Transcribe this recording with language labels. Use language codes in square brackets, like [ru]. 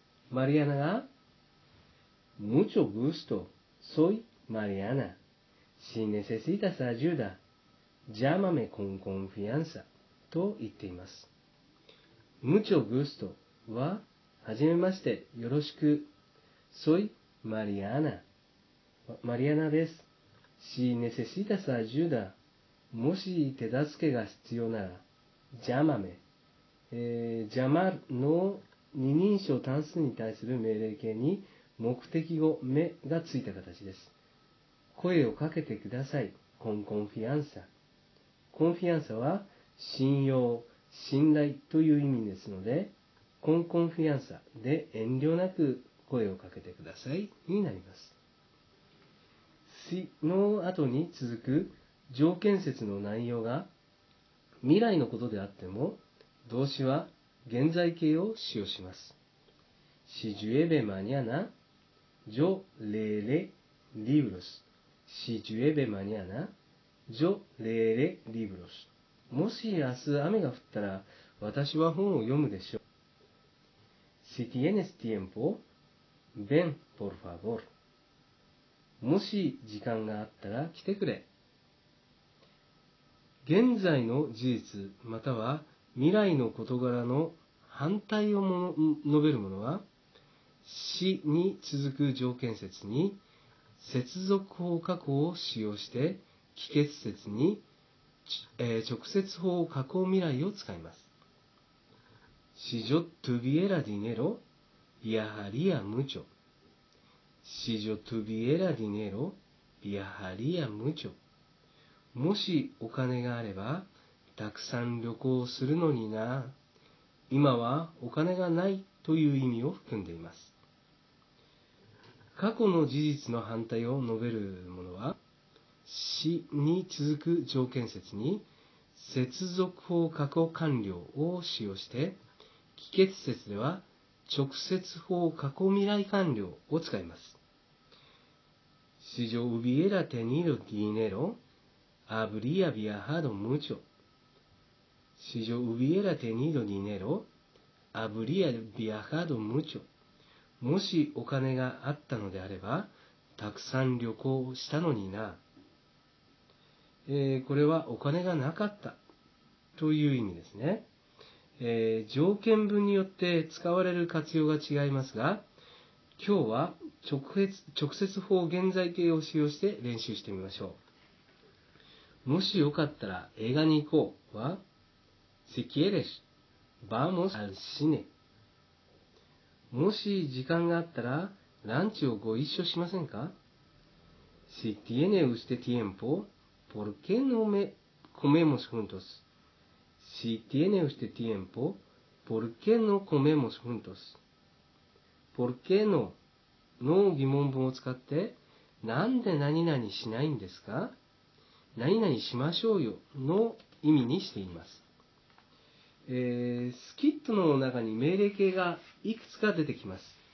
[es] マリアナが、mucho gusto, soy Mariana. Si necesitas ayuda, llámame con confianza, [ja] と言っています。 [es] mucho gusto [ja] は、はじめまして、よろしく。 [es] soy Mariana. Mariana です。 Si necesitas ayuda, [ja] もし手助けが必要なら、 [es] llámame。 [ja] llamar の二人称単数に対する命令形に目的語目がついた形です。声をかけてください。コンコンフィアンサ。コンフィアンサは信用、信頼という意味ですので、コンコンフィアンサで遠慮なく声をかけてくださいになります。しの後に続く条件説の内容が未来のことであっても、動詞は現在形を使用します。 [es] Si llueve mañana, yo leeré libros. Si llueve mañana, yo leeré libros. [ja] もし明日雨が降ったら、私は本を読むでしょう。 [es] Si tienes tiempo, ven, por favor. [ja] もし時間があったら来てくれ。現在の事実、または未来の事柄の反対をも述べるものは、しに続く条件説に、接続法加工を使用して、帰結説に、直接法加工未来を使います。 [es] Si yo tuviera dinero, viajaría mucho. Si yo tuviera dinero, viajaría mucho. [ja] もしお金があれば、たくさん旅行するのにな。今はお金がないという意味を含んでいます。過去の事実の反対を述べるものは、しに続く条件説に、接続法加工完了を使用して、帰結説では、直接法加工未来完了を使います。 [es] Si yo hubiera tenido dinero, habría viajado mucho. Si yo hubiera tenido dinero, habría viajado mucho. [ja] もしお金があったのであれば、たくさん旅行したのにな。これはお金がなかったという意味ですね。条件文によって使われる活用が違いますが、今日は直接法現在形を使用して練習してみましょう。もしよかったら映画に行こうは、 [es] Si quieres, vamos al cine. [ja] もし時間があったら、ランチをご一緒しませんか? [es] Si tiene usted tiempo, ¿por qué no comemos juntos? Si tiene usted tiempo, ¿por qué no comemos juntos? ¿Por qué no? [ja] の疑問文を使って、なんで何々しないんですか? 何々しましょうよの意味にしています。スキットの中に命令形がいくつか出てきます。